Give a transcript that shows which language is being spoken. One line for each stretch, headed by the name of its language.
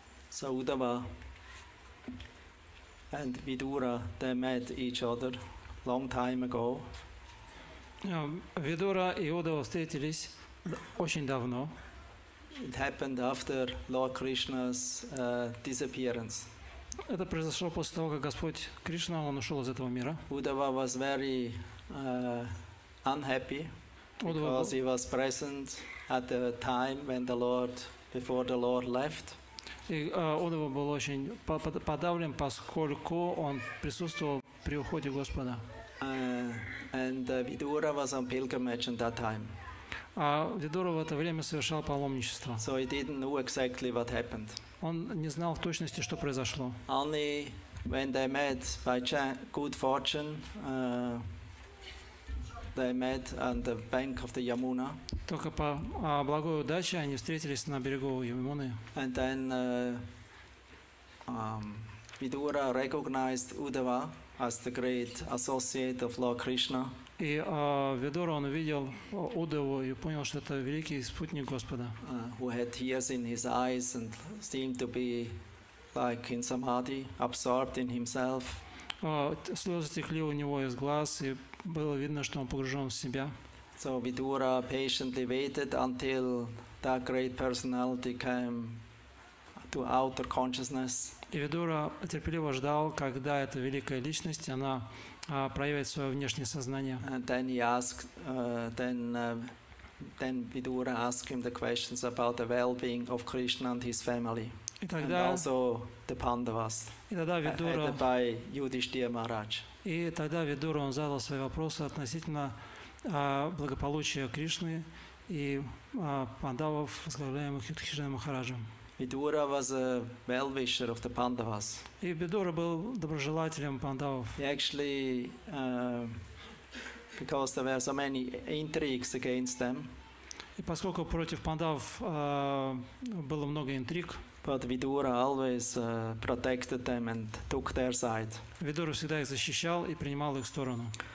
English: So Uddhava and Vidura, they met each other long time ago.
Russian: Vidura и Uddhava встретились очень давно.
English: It happened after Lord Krishna's disappearance.
Russian: Это произошло после того, как Господь Кришна, он ушел из этого мира.
English: Uddhava was very unhappy because he was present at the time when the Lord, before the Lord left.
Russian: Uddhava был очень подавлен, поскольку он присутствовал при уходе Господа.
English: And Vidura was on pilgrimage at that time.
Russian: А Видура в это время совершал паломничество.
English: So he didn't know exactly what happened.
Russian: Он не знал в точности, что произошло.
English: Only when they met by good fortune, they met on the bank of the Yamuna.
Russian: Только по благой удаче они встретились на берегу Ямуны.
English: And then Vidura recognized Uddhava as the great associate of Lord Krishna.
Russian: И Видура он увидел Уддаву и понял, что это великий спутник Господа.
English: Who had tears in his eyes and seemed to be like in samadhi, absorbed in himself.
Russian: Слезы текли у него из глаз и было видно, что он погружен в себя.
English: So Vidura patiently waited until that great personality came to outer consciousness.
Russian: И Видура терпеливо ждал, когда эта великая личность, она проявит свое внешнее сознание.
English: And then he asked, then Vidura asked him the questions about the well-being of Krishna and his family.
Russian: И тогда,
English: and also the Pandavas,
Russian: и тогда Vidura,
English: headed by Yudhishthira Maharaj.
Russian: И тогда Vidura он задал свои вопросы относительно благополучия Кришны и Пандавов, возглавляемых Юдхиштхирой Махараджем.
English: Vidura was a well-wisher of the Pandavas.
Russian: И Vidura был доброжелателем Пандавов.
English: He actually, because there were so many intrigues against them.
Russian: И поскольку против Пандавов было много интриг.
English: But Vidura always protected them and took their side.
Russian: Vidura всегда их защищал и принимал их сторону.